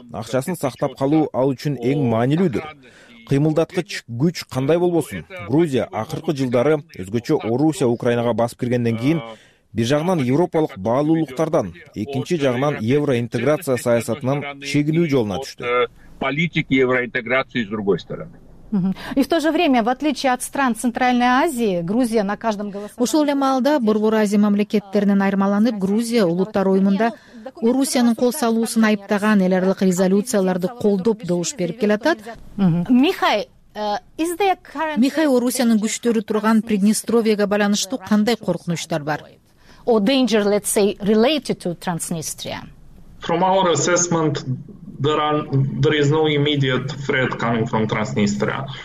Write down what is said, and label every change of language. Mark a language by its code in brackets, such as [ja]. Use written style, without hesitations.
[ky] Акчасын сактап калуу ал үчүн эң маанилүүдүр. Кыймылдаткыч күч кандай болбосун, Грузия акыркы жылдары өзгөчө Орусия Украинага басып киргенден кийин бир жагынан европалык баалуулуктардан, экинчи жагынан евроинтеграция саясатынан чегинүү жолуна түштү. [ru] Политик евроинтеграции с другой стороны. И в то же время, в отличие от стран Центральной Азии, Грузия на каждом голосовании... [ky] Ушул эле маалда Борбор Азия мамлекеттеринен айырмаланып, Грузия улуттар уюмунда Орусиянын кол салуусун айыптаган эл аралык резолюцияларды колдоп добуш берип келатат. Михай, Михай, Орусиянын күчтөрү турган Приднестровьега байланыштуу кандай коркунучтар бар? [en] Or danger, let's say, related to Transnistria. From our assessment, there is no immediate threat coming from Transnistria.